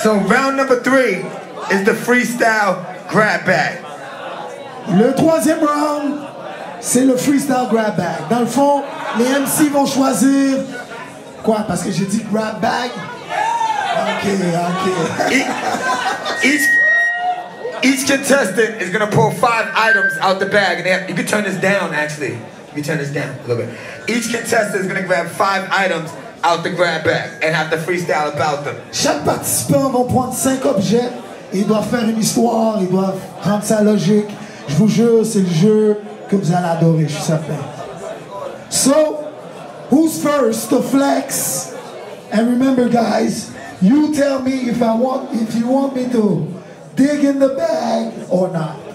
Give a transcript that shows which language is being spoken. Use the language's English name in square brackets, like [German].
[English] So round number three is the freestyle grab bag. [French] Le troisième round, c'est le freestyle grab bag. Dans le fond, les MC vont choisir quoi? Parce que j'ai dit grab bag. Okay. [English] Each contestant is gonna pull five items out the bag, and you can turn this down. Actually, you can turn this down a little bit. Each contestant is gonna grab five items out the grab bag and have to freestyle about them. [French] Chaque participant va prendre cinq objets. Il doit faire une histoire. Il doit rendre ça logique. Je vous jure, c'est le jeu que vous allez adorer. Je suis certain. [English] So, who's first to flex? And remember, guys, you tell me if you want me to dig in the bag or not.